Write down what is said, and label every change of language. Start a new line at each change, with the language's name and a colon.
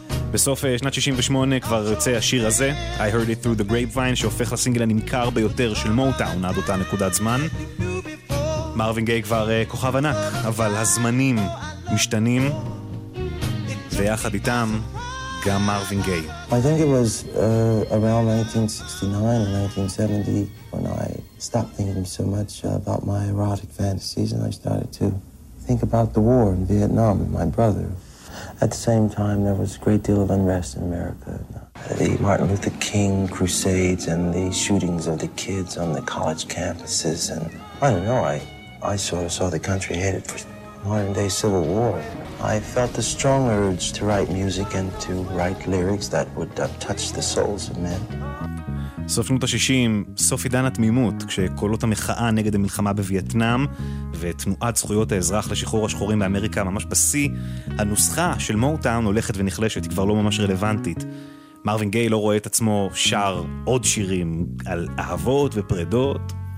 Hebrew: בסוף שנת 68 כבר יוצא השיר הזה, I Heard It Through the Grapevine, שהופך לסינגל הנמכר ביותר של מוטאון עד אותה נקודת זמן. מרווין גיי כבר כוכב ענק, אבל הזמנים משתנים, ויחד איתם גם מרווין גיי.
English: I think it was around 1969 or 1970 when I stopped thinking so much about my erotic fantasies and I started to think about the war in Vietnam and my brother. At the same time, there was a great deal of unrest in America. The Martin Luther King crusades and the shootings of the kids on the college campuses. And I don't know, I sort of saw the country headed for modern-day civil war. I felt a strong urge to write music and to write lyrics that would touch the souls of men.
Hebrew: סוף שנות ה-60, סוף עידן התמימות, כשקולות המחאה נגד המלחמה בווייטנאם ותנועת זכויות האזרח לשחרור השחורים באמריקה ממש בשיא, הנוסחה של מוטאון הולכת ונחלשת, היא כבר לא ממש רלוונטית. מרווין גיי לא רואה את עצמו שר עוד שירים על אהבות ופרדות.